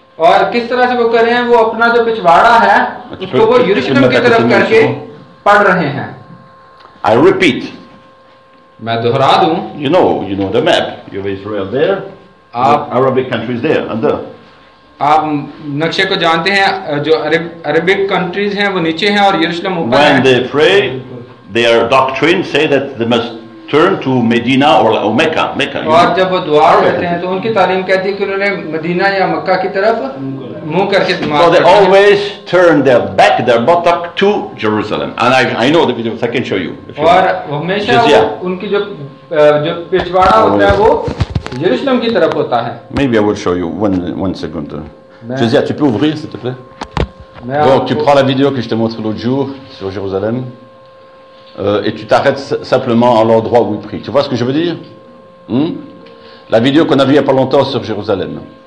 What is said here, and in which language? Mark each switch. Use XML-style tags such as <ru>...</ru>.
<hi>और किस तरह से वो कर रहे हैं वो अपना जो पिछवाड़ा है उसको वो यरूशलेम की तरफ करके पढ़ रहे हैं</hi> <en>I repeat</en> <hi>मैं दोहरा दूं</hi> <en>you know the map you have Israel there</en> <hi>आप</hi> <en>Arabic countries there under</en> <hi>आप नक्शे को जानते हैं जो अरबिक कंट्रीज हैं वो नीचे हैं और यरूशलेम ऊपर</hi> <en>है when they pray their doctrine say that they must turn to Medina or Mecca. Mecca.</en> <hi>और जब वो दुआ करते हैं तो उनकी तालीम कहती है कि उन्होंने मदीना या मक्का की तरफ मुंह करके</hi> <en>So they always turn their back, their buttock to Jerusalem. And I know the video. I can show you.</en> <hi>और हमेशा उनकी जो जो पिछवाड़ा होता है वो यरूशलेम की तरफ होता है.</hi> <en>Maybe I will show you one second. Josiah, tu peux ouvrir, s'il te plaît?</en> <fr>Donc tu prends la vidéo que je te montre l'autre jour sur Jérusalem. Et tu t'arrêtes simplement à l'endroit où il prie. Tu vois ce que je veux dire? La vidéo qu'on a vue il n'y a pas longtemps sur Jérusalem.</fr>